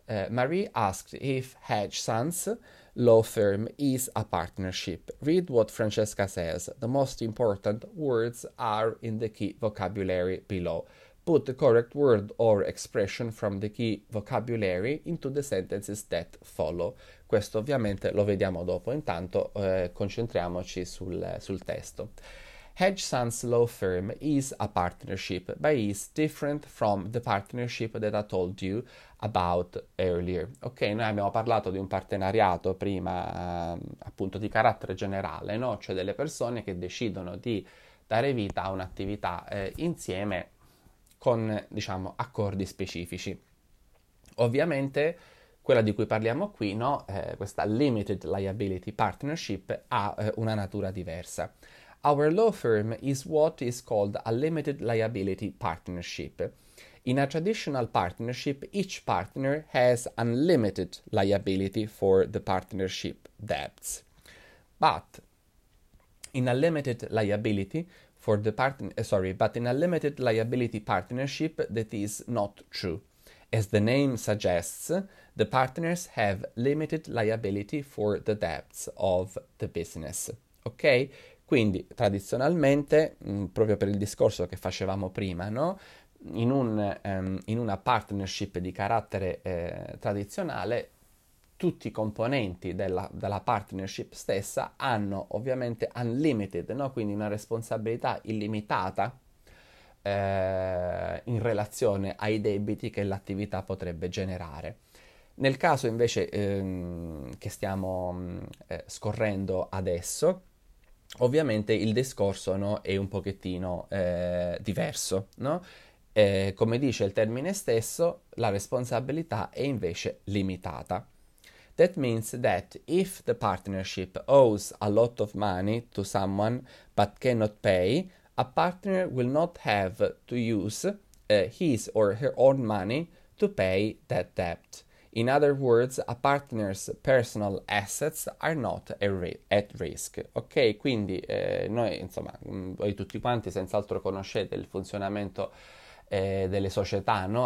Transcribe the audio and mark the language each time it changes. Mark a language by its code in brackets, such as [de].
[en] Marie asked if Hedge Sands' law firm is a partnership. Read what Francesca says. The most important words are in the key vocabulary below. Put the correct word or expression from the key vocabulary into the sentences that follow. [it] Questo ovviamente lo vediamo dopo, intanto concentriamoci sul testo. [en] Hedge Sands Law Firm is a partnership, but is different from the partnership that I told you about earlier. [it] Ok, noi abbiamo parlato di un partenariato prima, appunto di carattere generale, no? Cioè delle persone che decidono di dare vita a un'attività insieme. Con, diciamo, accordi specifici. Ovviamente quella di cui parliamo qui, no? Questa Limited Liability Partnership ha una natura diversa. [en] Our law firm is what is called a limited liability partnership. In a traditional partnership, each partner has unlimited liability for the partnership debts. But in a limited liability, for the partner, sorry, but in a limited liability partnership, that is not true. As the name suggests, the partners have limited liability for the debts of the business. Ok? [it] Quindi, tradizionalmente, proprio per il discorso che facevamo prima, no? In una partnership di carattere tradizionale, tutti i componenti della partnership stessa hanno ovviamente unlimited, no? Quindi una responsabilità illimitata in relazione ai debiti che l'attività potrebbe generare. Nel caso invece che stiamo scorrendo adesso, ovviamente il discorso, no? È un pochettino diverso, no? Come dice il termine stesso, la responsabilità è invece limitata. [en] That means that if the partnership owes a lot of money to someone but cannot pay, a partner will not have to use his or her own money to pay that debt. In other words, a partner's personal assets are not at risk. [it] Ok, quindi noi, insomma, voi tutti quanti senz'altro conoscete il funzionamento delle società, no?